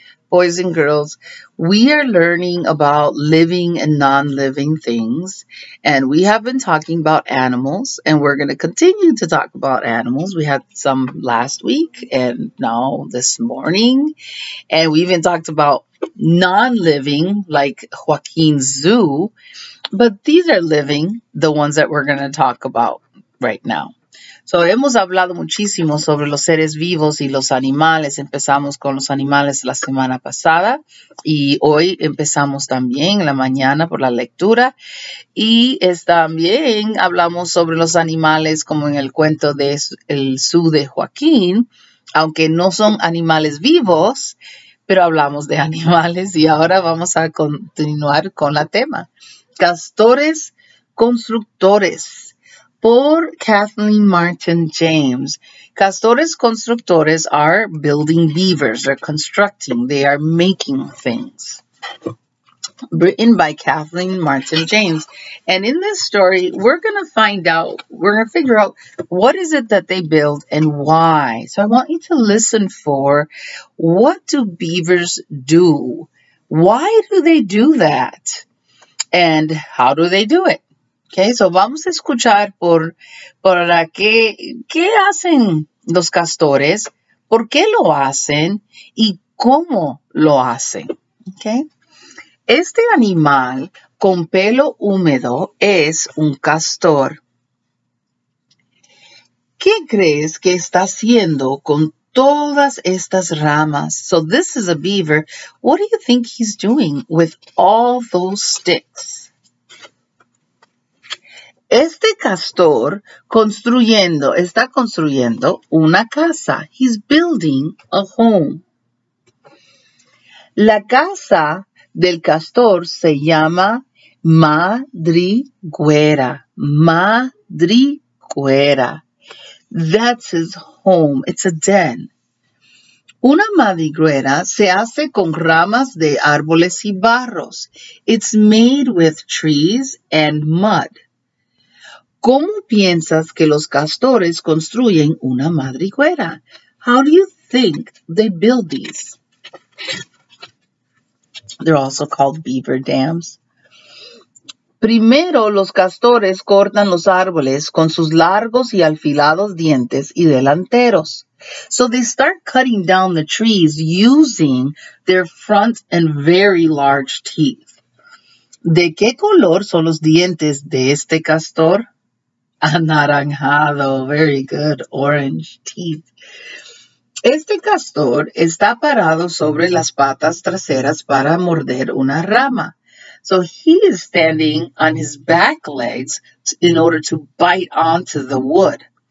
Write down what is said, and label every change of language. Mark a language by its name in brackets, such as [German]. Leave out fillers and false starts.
[English] Boys and girls, we are learning about living and non-living things, and we have been talking about animals, and we're going to continue to talk about animals. We had some last week and now this morning, and we even talked about non-living, like Joaquin's zoo, but these are living, the ones that we're going to talk about right now. [Spanish] So, hemos hablado muchísimo sobre los seres vivos y los animales. Empezamos con los animales la semana pasada y hoy empezamos también en la mañana por la lectura. Y también hablamos sobre los animales como en el cuento de el zoo de Joaquín, aunque no son animales vivos, pero hablamos de animales y ahora vamos a continuar con la tema. Castores constructores. Por Kathleen Martin James. [English] Castores constructores are building beavers. They're constructing. They are making things. Written by Kathleen Martin James. And in this story, we're going to find out, we're going to figure out what is it that they build and why. So I want you to listen for what do beavers do? Why do they do that? And how do they do it? [Spanish] Okay, so vamos a escuchar qué hacen los castores, por qué lo hacen y cómo lo hacen. Okay. Este animal con pelo húmedo es un castor. ¿Qué crees que está haciendo con todas estas ramas? [English] So this is a beaver. What do you think he's doing with all those sticks? [Spanish] Este castor está construyendo una casa. [English] He's building a home. [Spanish] La casa del castor se llama madriguera. [English] Madriguera. That's his home. It's a den. [Spanish] Una madriguera se hace con ramas de árboles y barros. [English] It's made with trees and mud. [Spanish] ¿Cómo piensas que los castores construyen una madriguera? [English] How do you think they build these? They're also called beaver dams. [Spanish] Primero, los castores cortan los árboles con sus largos y afilados dientes y delanteros. [English] So they start cutting down the trees using their front and very large teeth. [Spanish] ¿De qué color son los dientes de este castor? [English] Anaranjado, very good, orange teeth. [Spanish] Este castor está parado sobre las patas traseras para morder una rama. [English] So he is standing on his back legs in order to bite onto the wood.